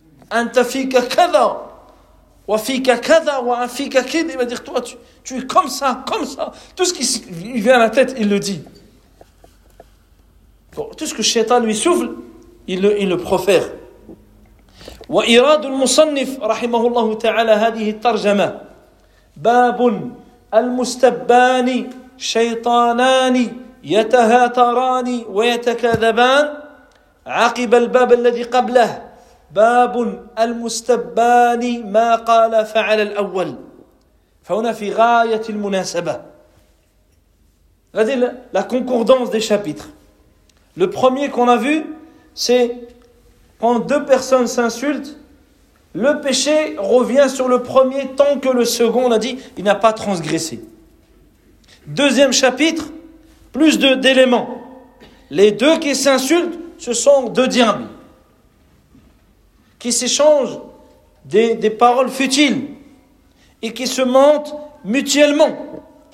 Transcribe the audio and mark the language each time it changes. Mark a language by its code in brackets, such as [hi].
[ar] Anta fīka kadhā wa fīka kadhā wa fīka kadhā. [fr] Il va dire toi tu es comme ça. Tout ce qui lui vient à la tête, il le dit. Bon, tout ce que Shaitan lui souffle, il le profère. [ar] وإراد المصنف رحمه الله تعالى هذه الترجمة باب المستبان شيطانان يتهاتران ويتكذبان عقب الباب الذي قبله باب المستبان ما قال فعل الأول فهنا في غاية المناسبة هذه [fr] la concordance des chapitres. Le premier qu'on a vu, c'est quand deux personnes s'insultent, le péché revient sur le premier tant que le second, on a dit, il n'a pas transgressé. Deuxième chapitre, plus d'éléments. Les deux qui s'insultent, ce sont deux diables qui s'échangent des paroles futiles et qui se mentent mutuellement.